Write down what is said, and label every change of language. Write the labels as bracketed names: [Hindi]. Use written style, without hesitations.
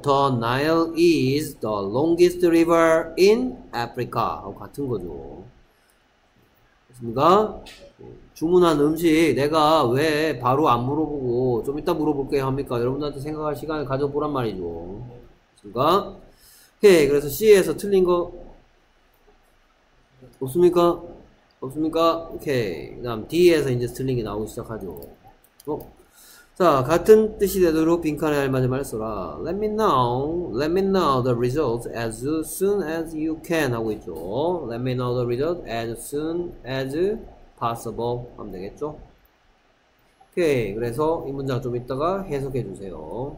[English] The Nile is the longest river in Africa. [Korean] 같은 거죠. 그렇습니까? 주문한 음식 내가 왜 바로 안 물어보고 좀 이따 물어볼게 합니까? 여러분들한테 생각할 시간을 가져보란 말이죠. 그렇습니까? 오케이. 그래서 C에서 틀린 거 없습니까? 없습니까? 오케이. 그다음 D에서 이제 틀린 게 나오기 시작하죠. 자, 같은 뜻이 되도록 빈칸에 알맞은 말을 써라. [English] Let me know the results as soon as you can [Korean] 하고 있죠. [English] Let me know the results as soon as possible [Korean] 하면 되겠죠. 오케이, 그래서 이 문장 좀 이따가 해석해 주세요.